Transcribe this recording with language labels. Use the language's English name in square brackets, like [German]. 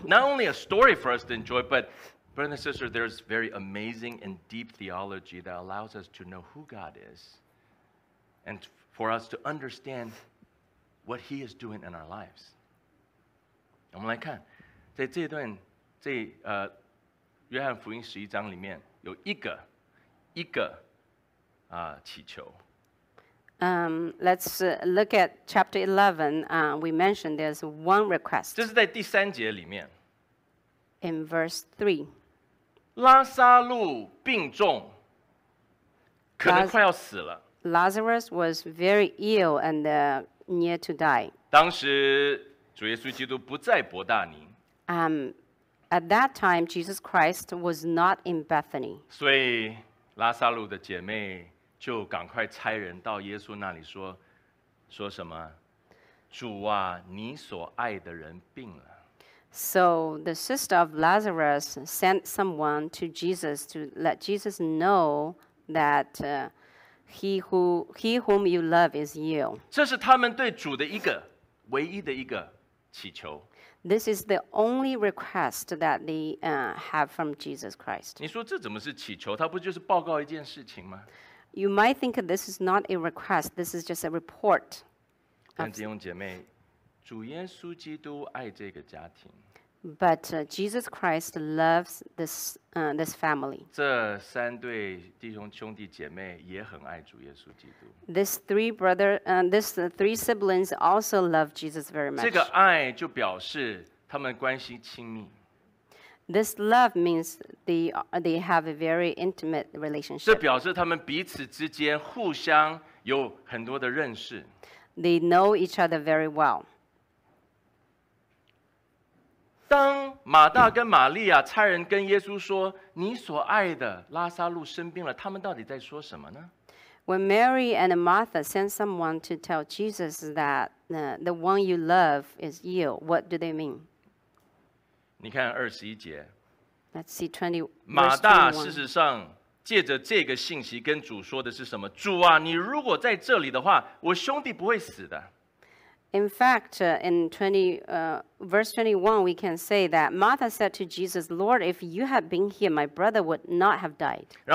[English] Not only a story for us to enjoy, but brothers and sisters, there's very amazing and deep theology that allows us to know who God is, and for us to understand what He is doing in our lives. [Chinese] 我们来看，在这段这约翰福音十一章里面有一个祈求。 [English] Let's look at chapter 11. We mentioned there's one request. [Chinese] 这是在第三节里面。 [English] In verse 3. [Chinese] 拉撒路病重，可能快要死了。 [English] Lazarus was very ill and near to die. [Chinese] 当时主耶稣基督不在伯大尼。 [English] At that time, Jesus Christ was not in Bethany. [Chinese] 所以拉撒路的姐妹就赶快差人到耶稣那里说，说什么？主啊，你所爱的人病了。 [English] So the sister of Lazarus sent someone to Jesus to let Jesus know that he whom you love is ill. [Chinese] 这是他们对主的一个唯一的一个祈求。 [English] This is the only request that they have from Jesus Christ. [Chinese] 你说这怎么是祈求？它不就是报告一件事情吗？ [English] You might think this is not a request. This is just a report. [Chinese] 但弟兄姐妹，主耶稣基督爱这个家庭。 [English] But Jesus Christ loves this family. [Chinese] 这三对弟兄兄弟姐妹也很爱主耶稣基督。 [English] These three siblings also love Jesus very much. [Chinese] 这个爱就表示他们关系亲密。 [English] This love means they have a very intimate relationship. [Chinese] 这表示他们彼此之间互相有很多的认识。 [English] They know each other very well. [Chinese] 当马大跟玛利亚差人跟耶稣说：“你所爱的拉撒路生病了。”他们到底在说什么呢 [English] ？When Mary and Martha sent someone to tell Jesus that the one you love is ill, what do they mean？ [Chinese] 你看二十一节。 [English] Let's see twenty. [Chinese] 马大事实上借着这个信息跟主说的是什么？主啊，你如果在这里的话，我兄弟不会死的。 [English] In fact, in verse 21, we can say that Martha said to Jesus, Lord, if you had been here, my brother would not have died.